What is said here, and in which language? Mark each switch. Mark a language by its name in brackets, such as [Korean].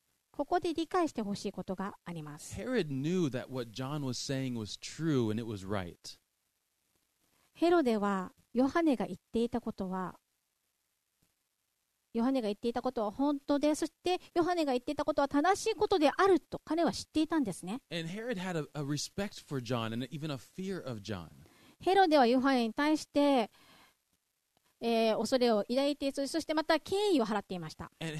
[Japanese] ここで理解してほしいことがあります。 [English] ヘロデ knew that what John was saying was true and it was right. [Japanese] ヘロデはヨハネが言っていたことはヨハネが言っていたことは本当で、そしてヨハネが言っていたことは正しいことであると彼は知っていたんですね。 [English] And Herod had a respect for John and even a fear of John. [Japanese] ヘロデはヨハネに対して、恐れを抱いて、そしてまた敬意を払っていました。